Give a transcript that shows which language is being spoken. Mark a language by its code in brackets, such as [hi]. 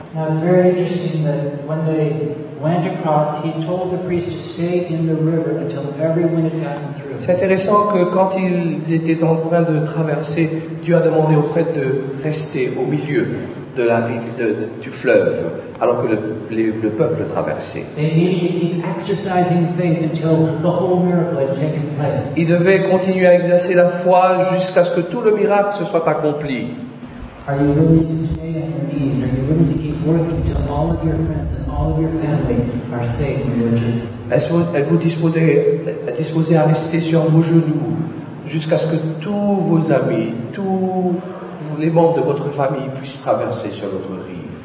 [en] Now it's very interesting that when they went across, he told the priest to stay in the river until everyone had gotten through. [fr] C'est intéressant que quand ils étaient en train de traverser, Dieu a demandé au prêtre de rester au milieu de la rive du fleuve, alors que le peuple traversait. [en] They needed to keep exercising faith until the whole miracle had taken place. [fr] Ils devaient continuer à exercer la foi jusqu'à ce que tout le miracle se soit accompli. [en] Are you willing to stay on your knees? Are you willing to keep working until all of your friends and all of your family are saved in your Jesus? [fr] Êtes-vous disposé à rester sur vos genoux jusqu'à ce que tous vos amis, tous les membres de votre famille puissent traverser sur l'autre rive?